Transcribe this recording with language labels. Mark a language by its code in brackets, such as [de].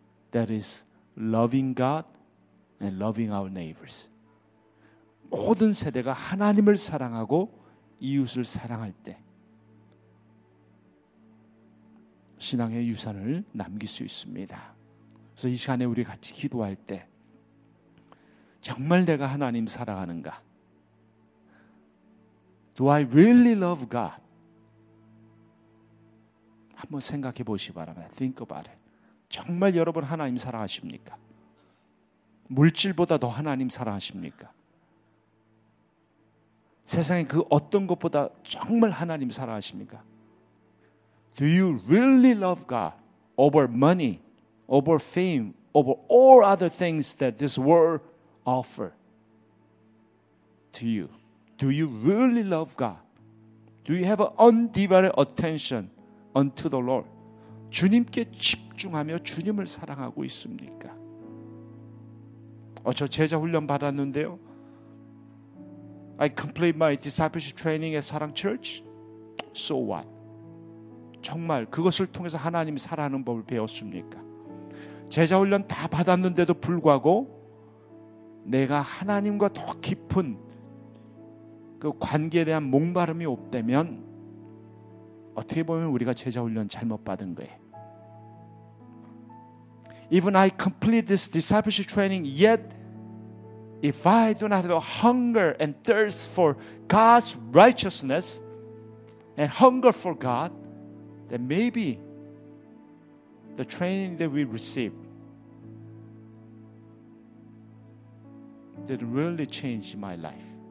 [en] That is loving God and loving our neighbors. [ko] 모든 세대가 하나님을 사랑하고 이웃을 사랑할 때 신앙의 유산을 남길 수 있습니다. 그래서 이 시간에 우리 같이 기도할 때 정말 내가 하나님 사랑하는가? [en] Do I really love God? [ko] 한번 생각해 보시기 바랍니다. [en] Think about it. [ko] 정말 여러분 하나님 사랑하십니까? 물질보다 더 하나님 사랑하십니까? 세상에 그 어떤 것보다 정말 하나님 사랑하십니까? [en] Do you really love God over money, over fame, over all other things that this world offers to you? Do you really love God? Do you have an undivided attention unto the Lord? [ko] 주님께 집중하며 주님을 사랑하고 있습니까? 저 제자 훈련 받았는데요. [en] I complete my discipleship training at Sarang Church. So what? [ko] 정말 그것을 통해서 하나님이 살아가는 법을 배웠습니까? 제자 훈련 다 받았는데도 불구하고 내가 하나님과 더 깊은 그 관계에 대한 목마름이 없다면 어떻게 보면 우리가 제자 훈련 잘못 받은 거예요. [en] Even I complete this discipleship training, yet if I do not have a hunger and thirst for God's righteousness and hunger for God, then maybe the training that we receive did really change my life.